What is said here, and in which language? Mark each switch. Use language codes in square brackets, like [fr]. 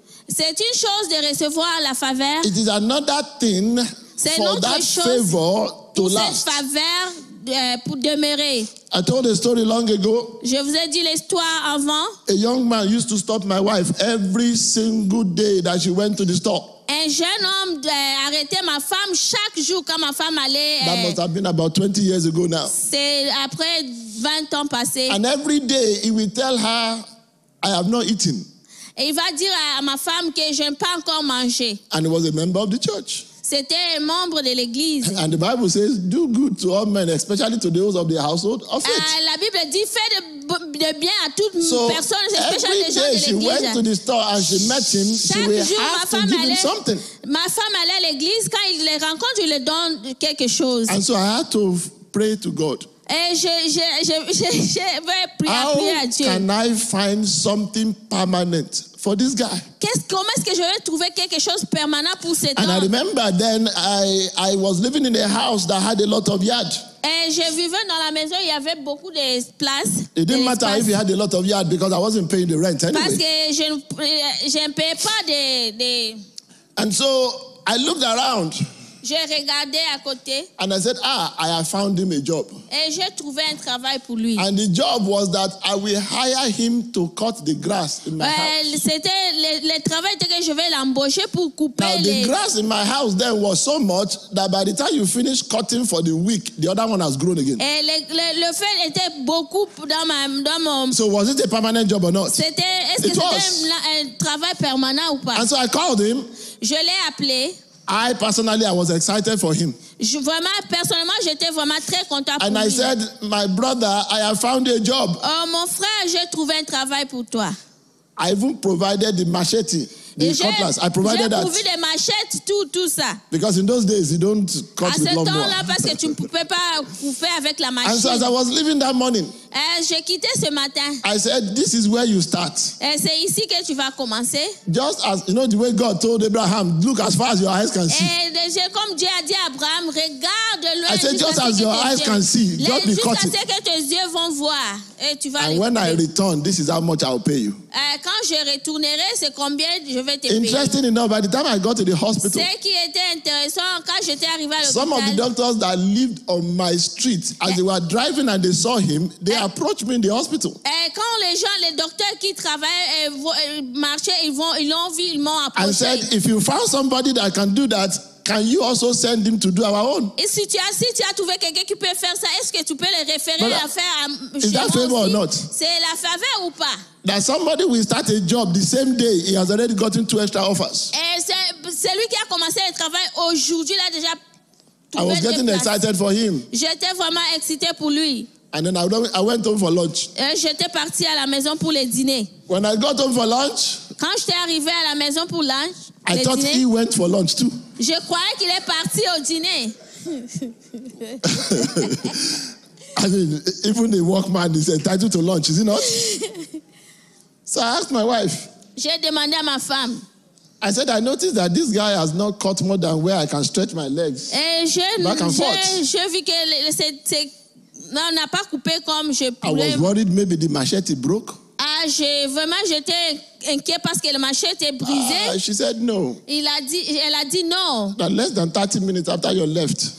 [fr] C'est une chose de recevoir la faveur. [en] It is another thing [fr] c'est [en] for that favor to last. [fr] Cette faveur pour demeurer. [en] I told a story long ago. [fr] Je vous ai dit l'histoire avant. [en] A young man used to stop my wife every single day that she went to the store. [fr] Un jeune homme arrêtait ma femme chaque jour quand ma femme allait. [en] That must have been about 20 years ago now. [fr] C'est après 20 ans passés. [en] And every day he would tell her, I have not eaten. [fr] Et il va dire à ma femme que je n'ai pas encore mangé. [en] And he was a member of the church. [fr] C'était un membre de l'église. [en] And the Bible says, do good to all men, especially to those of the household of faith. [fr] La Bible dit, fais de bien à toute [en] so [fr] personne, [en] especially the [fr] gens de l'église. [en] So every day she went to the store and she met him, [fr] chaque [en] she would have to give him something. [fr] Ma femme allait à l'église, quand il les rencontre, il lui donne quelque chose. [en] And so I had to pray to God. [fr] Je vais prier à Dieu. [en] How can I find something permanent for this guy? [fr] Comment est-ce que je vais trouver quelque chose permanent pour cet homme? [en] And I remember then I was living in a house that had a lot of yard. [fr] Et je vivais dans la maison, il y avait beaucoup de place. [en] It didn't matter if you had a lot of yard because I wasn't paying the rent anyway. [fr] Parce que je ne payais pas de. [en] And so I looked around. [fr] J'ai regardé à côté. [en] And I said, I have found him a job. [fr] Et j'ai trouvé un travail pour lui. [en] And the job was that I will hire him to cut the grass in my house. [fr] C'était le travail que je vais l'embaucher pour couper [en] now, [fr] les... [en] the grass in my house then was so much that by the time you finish cutting for the week, the other one has grown again. [fr] Et le fait était beaucoup dans mon... [en] So was it a permanent job or not? [fr] Un travail permanent ou pas? [en] And so I called him. [fr] Je l'ai appelé. [en] I personally, I was excited for him. [fr] Personnellement, j'étais vraiment très content pour lui. [en] And I said, my brother, I have found a job. [fr] Oh, mon frère, j'ai trouvé un travail pour toi. [en] I even provided the machete, the cutlass. I provided that. [fr] J'ai trouvé des machettes, tout ça. [en] Because in those days, you don't cut with lumber. [fr] À ce temps-là, parce que tu ne pouvais pas couper avec la machette. [en] And so as I was leaving that morning, [fr] j'ai quitté ce matin. [en] I said, this is where you start. [fr] C'est ici que tu vas commencer. [en] Just as, you know, the way God told Abraham, look as far as your eyes can see. [fr] Comme Dieu a dit à Abraham, regarde loin. [en] I said, just as your eyes can see, just be cutting. [fr] Juste à ce que tes yeux vont voir. Et tu vas [en] and when I return, this is how much I'll pay you. [fr] Quand je retournerai, c'est combien je vais te [en] interesting [fr] payer. [en] Interesting enough, by the time I got to the hospital, [fr] ce qui était intéressant, quand j'étais arrivé à l'hôpital, [en] some of the doctors that lived on my street, as they were driving and they saw him, they approached me in the hospital. [fr] Quand les gens, les docteurs qui travaillent marchaient, ils l'ont vu, ils m'ont approché. [en] And said, if you found somebody that can do that, can you also send him to do our own? [fr] Et si tu as trouvé quelqu'un qui peut faire ça, est-ce que tu peux le référer à faire à chez moi? [en] Is that favor or not? [fr] C'est la faveur ou pas? [en] That somebody will start a job the same day he has already gotten two extra offers. [fr] C'est lui qui a commencé le travail aujourd'hui, il a déjà trouvé. [en] I was getting excited for him. [fr] J'étais vraiment excité pour lui. [en] And then I went home for lunch. [fr] J'étais parti à la maison pour le dîner. [en] When I got home for lunch, [fr] quand j'étais arrivé à la maison pour lunch, [en] I thought [fr] dîner, [en] he went for lunch too. [fr] Je croyais qu'il est parti au dîner. [en] I mean, even a workman is entitled to lunch, is he not? So I asked my wife. [fr] J'ai demandé à ma femme. [en] I said, I noticed that this guy has not cut more than where I can stretch my legs. [fr] Je vis que c'est, non, n'a pas coupé comme je pouvais. [en] I was worried maybe the machete broke. [fr] J'étais inquiet parce que le machette était brisé. [en] She said no. [fr] Elle a dit non. [en] That less than 30 minutes after you left.